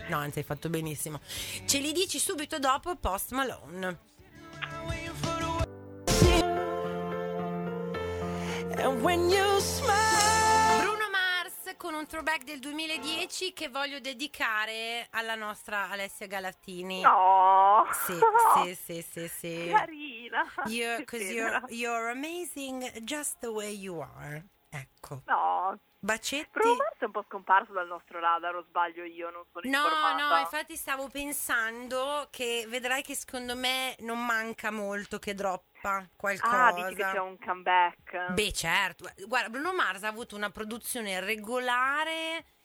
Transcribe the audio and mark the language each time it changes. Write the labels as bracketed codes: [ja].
[it] No, anzi, hai fatto benissimo. Ce li dici subito dopo Post Malone. [en] And when you smile. [it] Bruno Mars con un throwback del 2010 che voglio dedicare alla nostra Alessia Galattini. No. Sì, sì, sì, sì, sì. Carina. [en] You're amazing just the way you are. [it] Ecco. No. Bacetti. Bruno Mars è un po' scomparso dal nostro radar, o sbaglio io, non sono informata. No, no, infatti stavo pensando che vedrai che secondo me non manca molto che droppa qualcosa. Ah, dici che c'è un comeback. Beh, certo. Guarda, Bruno Mars ha avuto una produzione regolare.